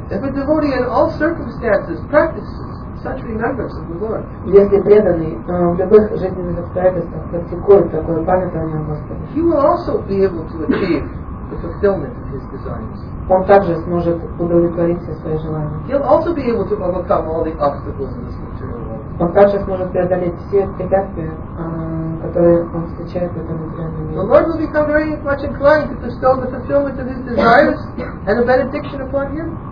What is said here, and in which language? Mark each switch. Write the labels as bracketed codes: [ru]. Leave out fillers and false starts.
[en] If a devotee in all circumstances practices such remembrance of the Lord. [ru] Если преданный в любых жизненных обстоятельствах практикует такое памятование о Господе. [en] He will also be able to achieve the fulfillment of his desires. [ru] Он также сможет удовлетворить все свои желания. [en] He'll also be able to overcome all the obstacles in this material world. [ru] Он также сможет преодолеть все препятствия, которые он встречает в этом материальном мире. [en] The Lord will become very much inclined to bestow the fulfillment of his desires and a benediction upon him.